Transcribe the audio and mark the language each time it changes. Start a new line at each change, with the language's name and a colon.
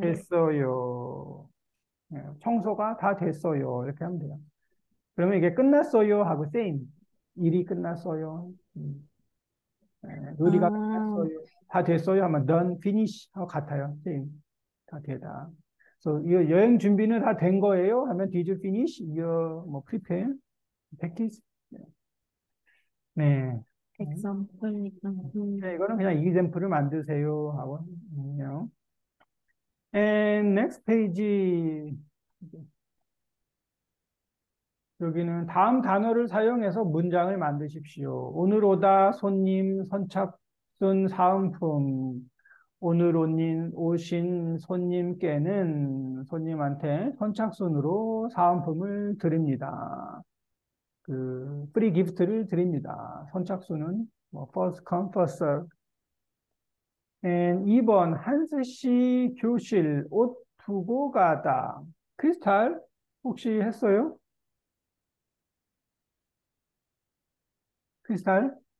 Korean: 됐어요. 청소가 다 됐어요. 이렇게 하면 돼요. 그러면 이게 끝났어요 하고
English: same.
Korean: 일이 끝났어요. 요리가 끝났어요. 다 됐어요 하면
English: done, finish
Korean: 하고 같아요.
English: same.
Korean: 다 되다. 여행 준비는 다된 거예요? 하면
English: Did you finish your prepare package?
Korean: 네. 엑셈플이니까 이거는 그냥 example을 만드세요 하고 요.
English: And next page.
Korean: 여기는 다음 단어를 사용해서 문장을 만드십시오. 오늘 오다 손님 선착순 사은품. 오늘 오신 손님께는 손님한테 선착순으로 사은품을 드립니다. 프리 기프트를 드립니다. 선착순은
English: first come, first serve. And
Korean: 2번 한스씨 교실 옷 두고 가다. 크리스탈 혹시 했어요? 크리스탈?